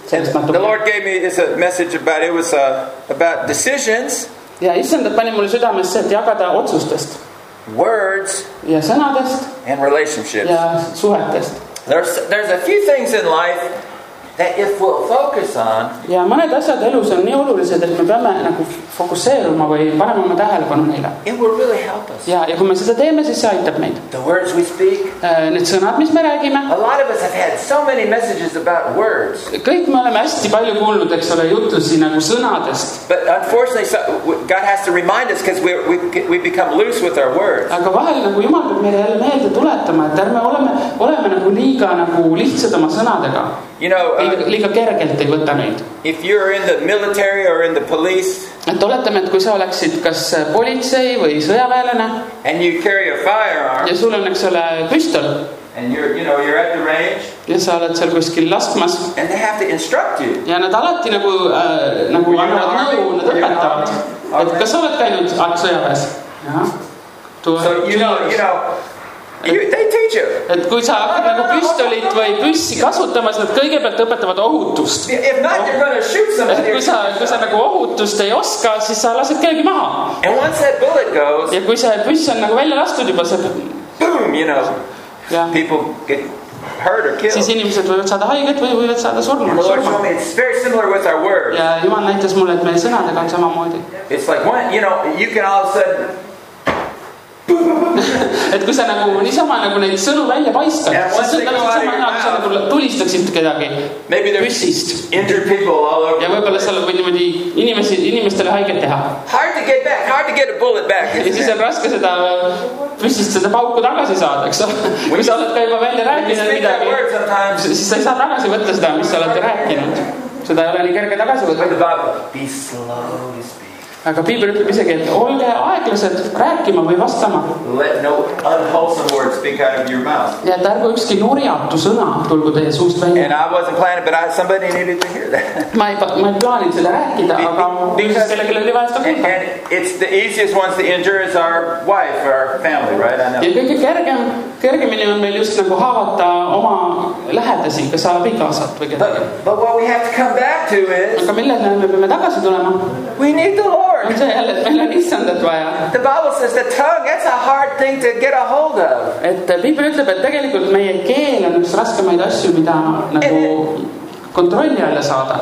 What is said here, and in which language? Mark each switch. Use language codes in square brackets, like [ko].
[en] The Lord gave me is a message about it was about decisions. [et] Ja issand, et pani mulle südamesse, et jagada otsustest. [en] Words. [et] Ja sõnadest. [en] And relationships. [et] Ja suhetest. [en] There's a few things in life that if we'll focus on. [et] Ja mõned asjad elus on nii olulised, et me peame nagu fokuseeruma või paremama tähelepanu neile. [en] It will really help us. [et] Ja kui me seda teeme, siis see aitab meid. [en] The words we speak. [et] Need sõnad, mis me räägime. [en] A lot of us have had so many messages about words. [et] Kõik me oleme hästi palju kuulnud, eks ole, jutlusi nagu sõnadest. [en] But unfortunately, God has to remind us because we become loose with our words. [et] Aga vahel nagu Jumal peab meile jälle meelde tuletama, et ärme oleme nagu liiga nagu lihtsad oma sõnadega. [en] You know, [et] liiga kergelt ei võta neid. [en] If you're in the military or in the police, [et] et oletame, et kui sa oleksid kas politsei või sõjaväelane, [en] and you carry a firearm, [et] ja sul on, eks ole, püstol, [en] and you're at the range, [et] ja sa oled seal kuskil laskmas, [en] and they have to instruct you, [et] ja nad alati nagu annavad nõu, nad õpetavad, et kas sa oled käinud sõjaväes? [en] So you know, they teach you. [et] Et kui sa hakkad nagu püstolit või püssi kasutama, siis nad kõigepealt õpetavad ohutust. [en] If not, you're going to shoot somebody. [et] Et kui sa nagu ohutust ei oska, siis sa lased keegi maha. [en] And once that bullet goes, [et] ja kui see püss on nagu välja lastud juba, see... [en] Boom, you know, people get hurt or killed. [et] Siis inimesed võivad saada haiget või võivad saada surma. [en] Lord told me it's very similar with our words. [et] Ja Jumal näitas mulle, et meie sõnadega on samamoodi. [en] It's like, when, you know, you can all of a sudden... [et] Et kui sa nagu niisama nagu neid sõnu välja paistad, siis sa nagu sama hea, kui sa nagu tulistaksid kedagi püssist. Ja võibolla seal võib niimoodi inimestele haiget teha. [en] Hard to get back, hard to get a bullet back. [et] Ja siis on raske seda püssist seda pauku tagasi saada, eks? Kui sa oled ka juba välja rääkinud midagi, siis sa ei saa tagasi võtta seda, mis sa oled rääkinud. Seda ei ole nii kerge tagasi võtta. [en] Be slow to speak. [et] Aga Piibel ütleb isegi, et olge aeglased rääkima või vastama. [en] Let no unwholesome words speak out of your mouth. [et] Ja tärgu ükski nurjatu sõna tulgu teie suust välja. [en] And I wasn't planning, but somebody needed to hear that. [et] Ma ei plaanin selle rääkida, aga because kellegi oli vaja seda kuulda. [en] And it's the easiest ones to injure is our wife or family, right? I know. [et] Ja kõige kergemini on meil just nagu haavata oma lähedasi, kas abikaasat või kedagi. [en] But what we have to come back to is [et] aga millele me peame tagasi tulema? [en] We need the Lord. [et] On see jälle, et meil on issandat vaja. [en] The Bible says the tongue, that's a hard thing to get a hold of. [et] Et Biibel ütleb, et tegelikult meie keel on üks raskemaid asju, mida nagu kontrolli alla saada.